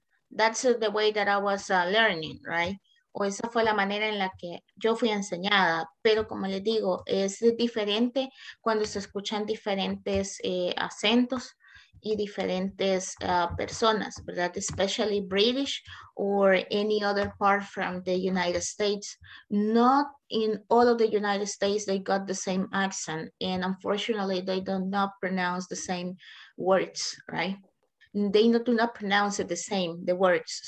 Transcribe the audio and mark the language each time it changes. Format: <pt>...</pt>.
<en>That's the way that I was learning, right?</en> <es>O esa fue la manera en la que yo fui enseñada. Pero como les digo, es diferente cuando se escuchan diferentes acentos y diferentes personas, ¿verdad?</es> <en>Especially British or any other part from the United States. Not in all of the United States they got the same accent, and unfortunately they do not pronounce the same words, right? They do not pronounce it the same, the words.</en>